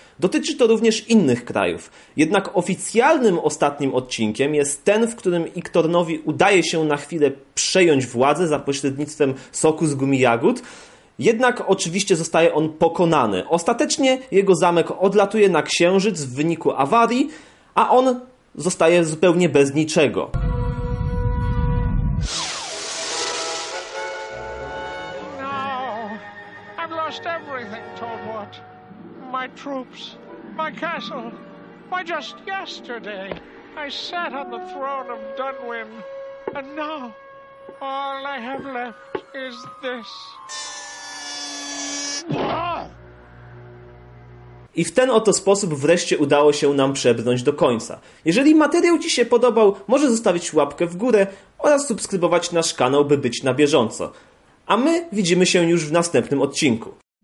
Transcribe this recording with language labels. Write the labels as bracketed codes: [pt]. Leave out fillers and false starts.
[pl] Dotyczy to również innych krajów. Jednak oficjalnym ostatnim odcinkiem jest ten, w którym Iktornowi udaje się na chwilę przejąć władzę za pośrednictwem soku z gumi jagód. Jednak oczywiście zostaje on pokonany. Ostatecznie jego zamek odlatuje na księżyc w wyniku awarii, a on zostaje zupełnie bez niczego. [en] No, I've lost everything, Talbot. My troops, my castle. Why just yesterday I sat on the throne of Dunwin, and now all I have left is this. [pl] I w ten oto sposób wreszcie udało się nam przebrnąć do końca. Jeżeli materiał Ci się podobał, możesz zostawić łapkę w górę oraz subskrybować nasz kanał, by być na bieżąco. A my widzimy się już w następnym odcinku.